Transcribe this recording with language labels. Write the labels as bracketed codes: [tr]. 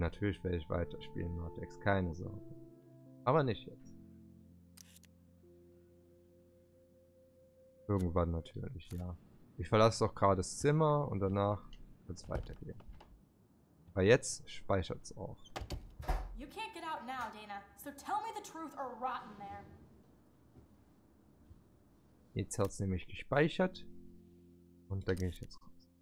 [de] Natürlich werde ich weiterspielen, Nordex, keine Sorge. Aber nicht jetzt. Irgendwann natürlich, ja. Ich verlasse doch gerade das Zimmer und danach wird es weitergehen. Aber jetzt speichert es auch. [en] You can't get out now, Dana. So tell me the truth or rotten there. [de] Jetzt hat es nämlich gespeichert. Und da gehe ich jetzt raus.